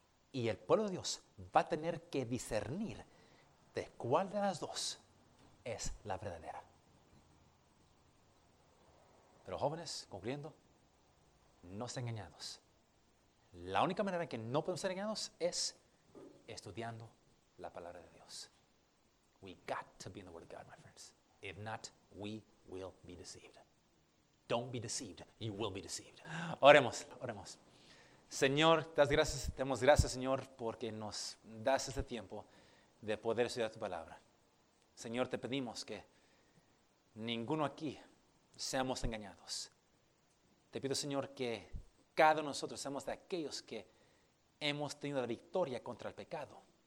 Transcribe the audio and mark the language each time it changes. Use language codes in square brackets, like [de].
[es] Y el pueblo de Dios va a tener que discernir de cuál de las dos es la verdadera. Pero jóvenes, concluyendo, no sean engañados. La única manera en que no podemos ser engañados es estudiando la palabra de Dios. [en] We got to be in the Word of God, my friends. If not, we will be deceived. Don't be deceived. You will be deceived. [es] Oremos, oremos. Señor, te damos gracias, Señor, porque nos das este tiempo de poder estudiar tu palabra. Señor, te pedimos que ninguno aquí seamos engañados. Te pido, Señor, que cada uno de nosotros seamos de aquellos que hemos tenido la victoria contra el pecado.